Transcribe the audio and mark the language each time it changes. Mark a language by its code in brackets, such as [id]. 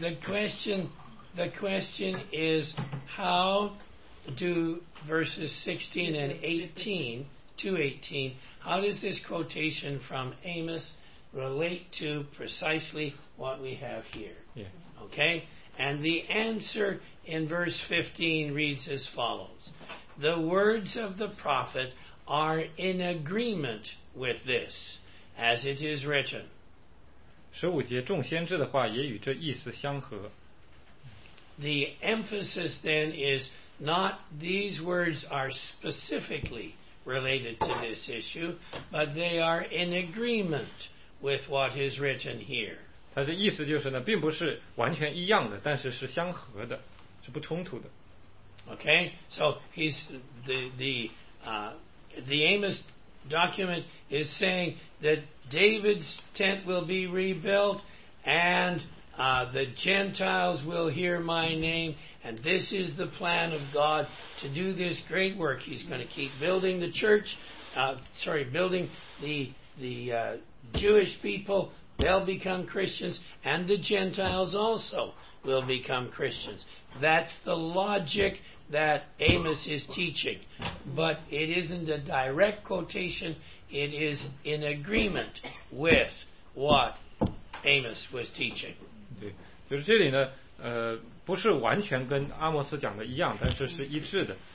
[en] The question is how do verses 16 and 18, how does this quotation from Amos relate to precisely what we have here? Yeah. Okay? And the answer in verse 15 reads as follows. The words of the prophet are in agreement with this, as it is written. [zh] 15节众先知的话也与这意思相合。 [en] The emphasis then is not these words are specifically related to this issue, but they are in agreement with what is written here. [zh] 它的意思就是呢，并不是完全一样的，但是是相合的，是不冲突的。 [en] Okay, so he's the Amos document is saying that David's tent will be rebuilt and the Gentiles will hear my name and this is the plan of God to do this great work. He's going to keep building the church, building the Jewish people, they'll become Christians, and the Gentiles also will become Christians. That's the logic that Amos is teaching. But it isn't a direct quotation, it is in agreement with what Amos was teaching. [zh] 对，就是这里呢，不是完全跟阿摩斯讲的一样，但是是一致的。